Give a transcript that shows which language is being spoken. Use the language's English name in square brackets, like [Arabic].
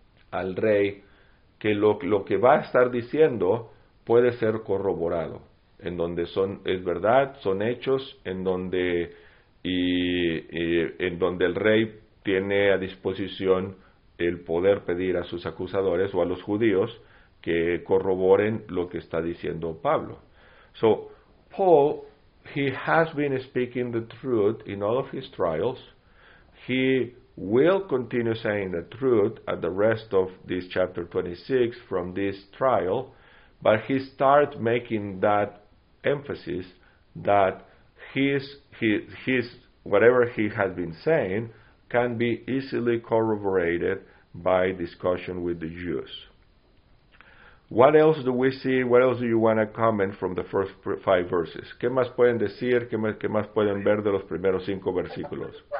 [Spanish] al rey que lo que va a estar diciendo puede ser corroborado, en donde es verdad, son hechos, en donde el rey tiene a disposición el poder pedir a sus acusadores o a los judíos que corroboren lo que está diciendo Pablo. [English] So, Paul, he has been speaking the truth in all of his trials. He will continue saying the truth at the rest of this chapter 26 from this trial, but he starts making that emphasis that his whatever he has been saying can be easily corroborated by discussion with the Jews. What else do we see? What else do you want to comment from the first five verses? [Spanish] ¿Qué más pueden decir? ¿Qué más pueden ver de los primeros cinco versículos?